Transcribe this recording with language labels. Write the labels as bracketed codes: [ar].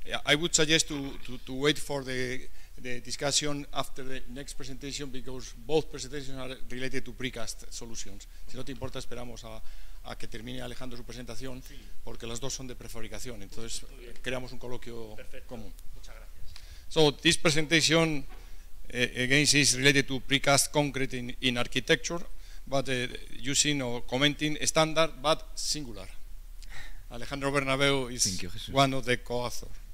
[en] I would suggest to wait for the discussion after the next presentation, because both presentations are related to precast solutions. [es] Si no te importa, esperamos a que termine Alejandro su presentación, porque las dos son de prefabricación. Entonces, creamos un coloquio común. Muchas gracias. [en] So, this presentation, again, is related to precast concrete in architecture, but using or commenting standard, but singular. Alejandro Bernabéu is one of the co-authors.